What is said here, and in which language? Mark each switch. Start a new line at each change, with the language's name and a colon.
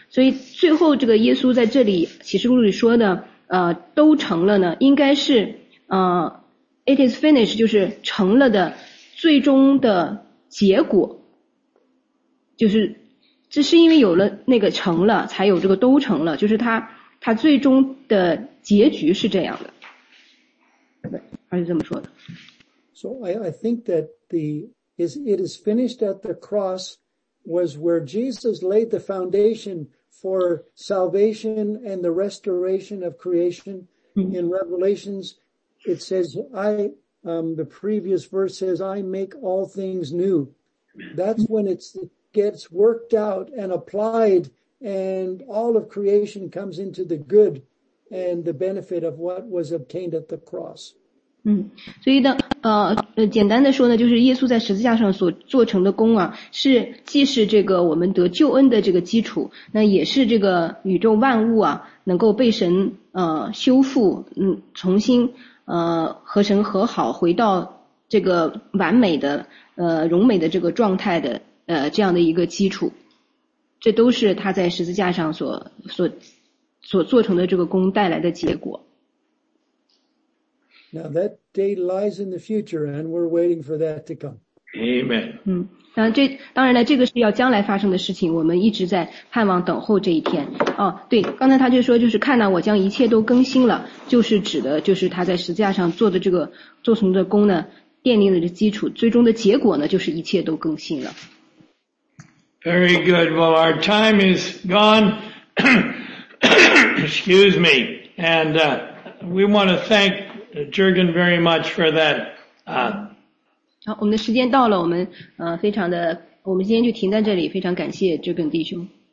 Chinese: 所以最后这个耶稣在这里启示录里说的都成了呢，应该是
English: it is finished，
Chinese: 就是成了的最终的结果，就是这是因为有了那个成了才有这个都成了，就是他最终的结局是这样的，他是这么说的。
English: So I think that it is finished at the cross was where Jesus laid the foundation for salvation and the restoration of creation. Mm-hmm. In Revelations, it says, the previous verse says, I make all things new. That's when it gets worked out and applied and all of creation comes into the good and the benefit of what was obtained at the cross.
Chinese: 所以呢简单的说呢，就是耶稣在十字架上所做成的功啊，是既是这个我们得救恩的这个基础，那也是这个宇宙万物啊能够被神修复，重新和神和好，回到这个完美的荣美的这个状态的这样的一个基础。这都是他在十字架上所做成的这个功带来的结果。
English: Now that day lies in the future, and we're waiting for that to come. Amen.
Chinese: 当然了，这个是要将来发生的事情，我们一直在盼望等候这一天。哦，对，刚才他就说，就是看到我将一切都更新了，就是指的，就是他在十字架上做的这个做成的功呢，奠定了这基础，最终的结果呢，就是一切都更新了。
English: Very good. Well, our time is gone. Excuse me. And we want to thank Jurgen very much for that.
Chinese: 好，我们的时间到了，我们非常的，我们今天就停在这里，非常感谢这个弟兄。